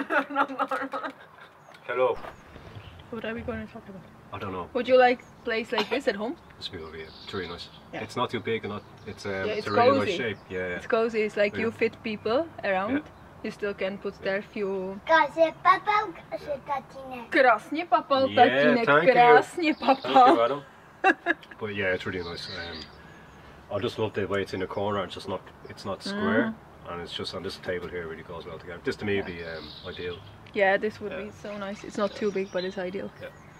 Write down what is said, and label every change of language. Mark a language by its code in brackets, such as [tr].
[en] Not normal. Hello. What are we going to talk about? I don't know. Would you like a place like this at home? It's beautiful, yeah. It's really nice. Yeah. It's not too big, and it's a really cozy. Nice shape. Yeah, yeah. It's cozy. It's like you fit people around. Yeah. You still can put there a few... [cs] Krásně papal, krásně tatínek. Krásně papal, tatínek. [en] Yeah, [cs] krásně papal. [en] Thank you, Adam. But yeah, it's really nice. I just love the way it's in the corner. It's just not, square. And it's just on this table here really goes well together. This to me would be ideal. Yeah, this would be so nice. It's not too big, but it's ideal. Yeah.